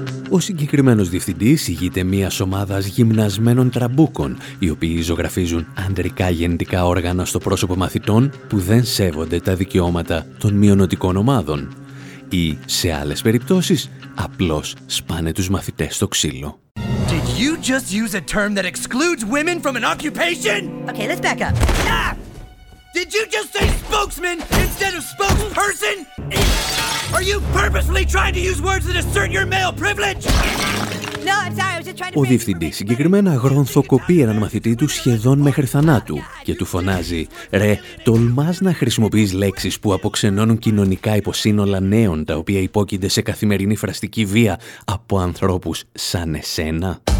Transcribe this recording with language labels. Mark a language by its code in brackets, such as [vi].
[el] Ο συγκεκριμένος διευθυντής ηγείται μιας ομάδας γυμνασμένων τραμπούκων, οι οποίοι ζωγραφίζουν αντρικά γεννητικά όργανα στο πρόσωπο μαθητών που δεν σέβονται τα δικαιώματα των μειονοτικών ομάδων. Ή, σε άλλες περιπτώσεις, απλώς σπάνε τους μαθητές στο ξύλο. [en] Did you just use a term that excludes women from an occupation? Okay, let's back up. Ah! Did you just say spokesman instead of spokesperson? Are you purposely trying to use words that assert your male privilege? No, I'm sorry, I was just trying to... [el] Ο διευθυντής συγκεκριμένα γρονθοκοπεί έναν μαθητή του σχεδόν μέχρι θανάτου και του φωνάζει «Ρε, τολμάς να χρησιμοποιείς λέξεις που αποξενώνουν κοινωνικά υποσύνολα νέων τα οποία υπόκεινται σε καθημερινή φραστική βία από ανθρώπους σαν εσένα?»